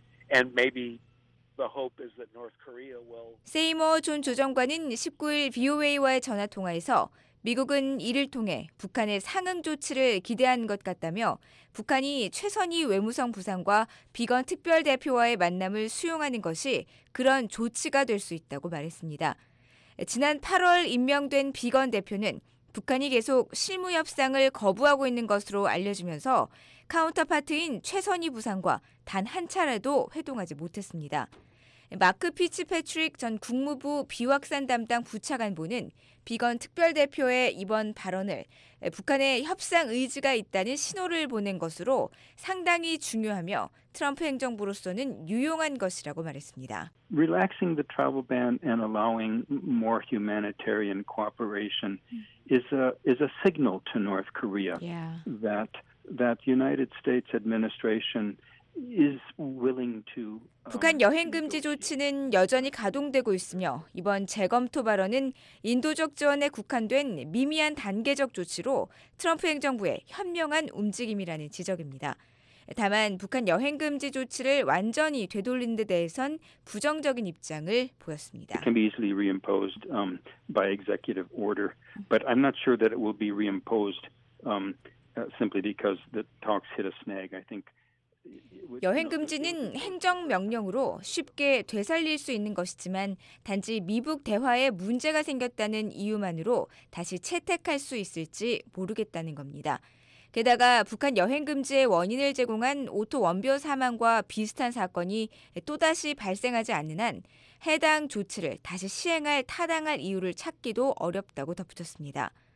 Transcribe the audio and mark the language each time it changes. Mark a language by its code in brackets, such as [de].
[en] And maybe the hope is that North Korea will. [ko] 세이머 존 조정관은 19일 VOA와의 전화 통화에서 미국은 이를 통해 북한의 상응 조치를 기대한 것 같다며 북한이 최선희 외무성 부상과 비건 특별대표와의 만남을 수용하는 것이 그런 조치가 될 수 있다고 말했습니다. 지난 8월 임명된 비건 대표는 북한이 계속 실무 협상을 거부하고 있는 것으로 알려지면서 카운터파트인 최선희 부상과 단 한 차례도 회동하지 못했습니다. 마크 피츠 패트릭 전 국무부 비확산 담당 부차관보는 비건 특별대표의 이번 발언을 북한의 협상 의지가 있다는 신호를 보낸 것으로 상당히 중요하며 트럼프 행정부로서는 유용한 것이라고 말했습니다. [en] Relaxing the travel ban and allowing more humanitarian cooperation is a signal to North Korea that the United States administration is willing to [ko] 북한 여행 금지 조치는 여전히 가동되고 있으며 이번 재검토 발언은 인도적 지원에 국한된 미미한 단계적 조치로 트럼프 행정부의 현명한 움직임이라는 지적입니다. 다만 북한 여행 금지 조치를 완전히 되돌린 데 대해선 부정적인 입장을 보였습니다. [en] It can be easily reimposed by executive order, but I'm not sure that it will be reimposed simply because the talks hit a snag. I think [ko] 여행 금지는 행정 명령으로 쉽게 되살릴 수 있는 것이지만 단지 미북 대화에 문제가 생겼다는 이유만으로 다시 채택할 수 있을지 모르겠다는 겁니다. 게다가 북한 여행 금지의 원인을 제공한 오토 원벼 사망과 비슷한 사건이 또다시 발생하지 않는 한 해당 조치를 다시 시행할 타당한 이유를 찾기도 어렵다고 덧붙였습니다.